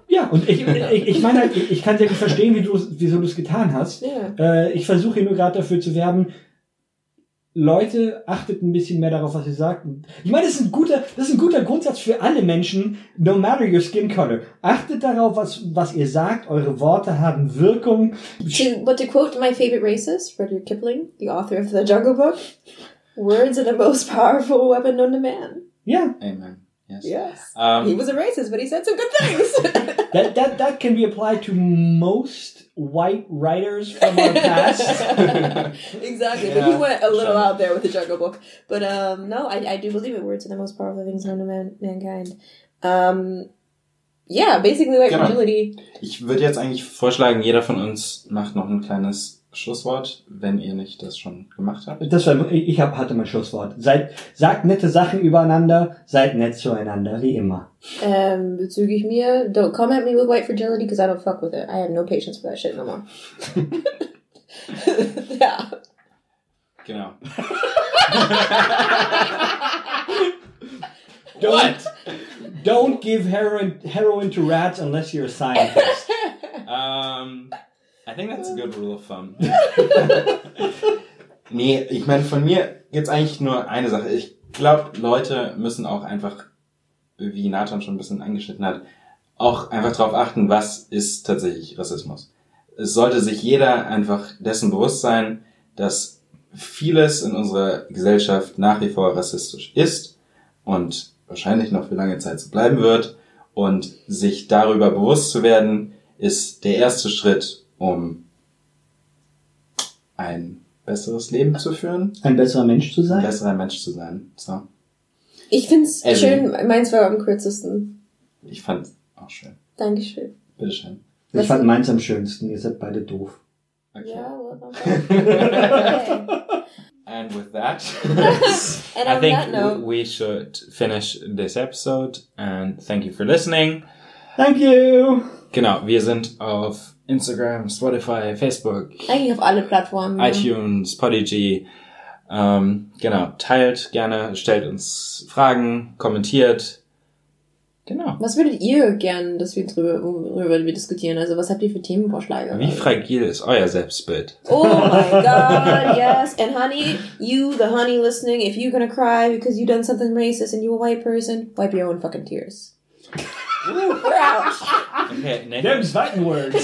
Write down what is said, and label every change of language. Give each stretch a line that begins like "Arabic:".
German: Ja, und ich meine, ich kann sehr gut verstehen, wieso du es getan hast.
English: Yeah.
German: Ich versuche hier nur gerade dafür zu werben, Leute, achtet ein bisschen mehr darauf, was ihr sagt. Ich meine, das ist ein guter Grundsatz für alle Menschen,
English: no matter your skin color.
German: Achtet darauf, was ihr sagt, eure Worte haben Wirkung.
English: But to quote my favorite racist, Rudyard Kipling, the author of The Jungle Book, words are the most powerful weapon known to man. Yeah. Amen. Yes. He was a racist, but he said some good things. that can be applied to most white writers from our past. Exactly. Yeah, but he went a little out there with the Jungle Book. But no, I do believe it. Words are the most powerful things known to mankind. Yeah, basically like agility.
German: Ich würde jetzt eigentlich vorschlagen, jeder von uns macht noch ein kleines Schlusswort, wenn ihr nicht das schon gemacht habt. Ich hatte mein Schlusswort. Sagt nette Sachen übereinander, seid nett zueinander, wie immer. Bezüglich mir,
English: don't come at me with white fragility, because I don't fuck with it. I have no patience for that shit no more.
German: Ja. Genau.
English: Don't give heroin to rats unless you're a scientist. I think that's a good rule of thumb.
German: Nee, ich meine, von mir gibt's eigentlich nur eine Sache. Ich glaube, Leute müssen auch einfach, wie Nathan schon ein bisschen angeschnitten hat, auch einfach drauf achten, was ist tatsächlich Rassismus. Es sollte sich jeder einfach dessen bewusst sein, dass vieles in unserer Gesellschaft nach wie vor rassistisch ist und wahrscheinlich noch für lange Zeit so bleiben wird. Und sich darüber bewusst zu werden, ist der erste Schritt, um ein besseres Leben zu führen. Ein besserer Mensch zu sein? Ein besserer Mensch zu sein, so. Ich find's schön, meins war am kürzesten. Ich fand's auch schön. Dankeschön. Bitteschön. Ich fand meins am schönsten, ihr seid beide doof. Okay. Ja,
English: okay. And with that, and I think that note, we should finish this episode and thank you for listening. Thank you!
German: Genau, wir sind auf Instagram, Spotify, Facebook. Eigentlich auf alle Plattformen. iTunes, Podigy. Genau, teilt gerne, stellt uns Fragen, kommentiert. Genau. Was würdet ihr gerne, dass wir darüber diskutieren? Also was habt ihr für Themenvorschläge? Wie fragil ist euer Selbstbild?
English: Oh my god, yes. And honey, you, the honey listening, if you're gonna cry because you've done something racist and you're a white person, wipe your own fucking tears. Okay, them's fighting words.